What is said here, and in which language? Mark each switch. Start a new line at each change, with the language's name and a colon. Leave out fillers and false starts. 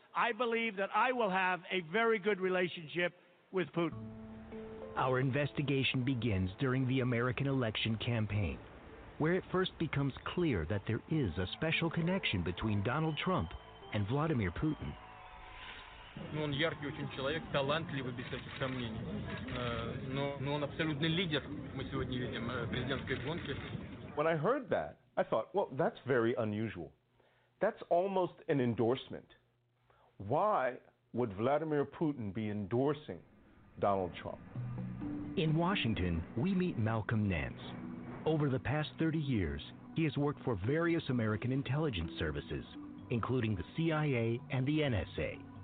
English: I believe that I will have a very good relationship with Putin. Our investigation begins during the American election campaign, where it first becomes clear that there is a special connection between Donald Trump and Vladimir Putin.
Russian: Ну, он яркий очень человек, талантливый, без всяких сомнений. Но он абсолютный лидер. Мы сегодня видим президентской гонки.
English: When I heard that, I thought, well, that's very unusual. That's almost an endorsement. Why would Vladimir Putin be endorsing Donald Trump? In Washington, we meet Malcolm Nance. Over the past 30 years, he has worked for various American intelligence services, including the CIA and the NSA.